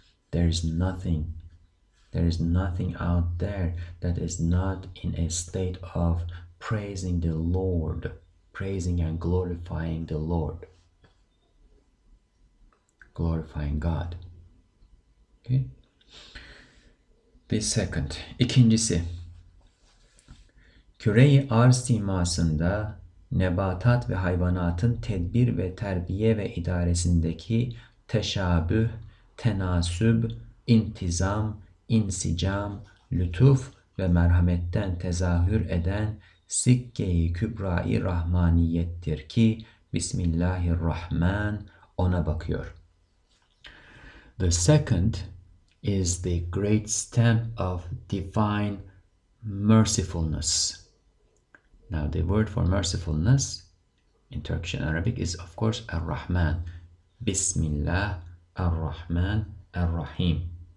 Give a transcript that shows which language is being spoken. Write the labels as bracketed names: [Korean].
[English] There is nothing out there that is not in a state of praising the Lord, praising and glorifying the Lord, glorifying God. Okay. The second, [Turkish] ikincisi, küre-i arz simasında nebatat ve hayvanatın tedbir ve terbiye ve idaresindeki teşabüh, tenasüb, intizam, insicam, lütuf ve merhametten tezahür eden sikke-i kübra-i rahmaniyettir ki Bismillahirrahman ona bakıyor. [English] The second is the great stamp of divine mercifulness. Now the word for mercifulness in Turkish and Arabic is of course Ar-Rahman. [Arabic] Bismillah Ar-Rahman Ar-Rahim.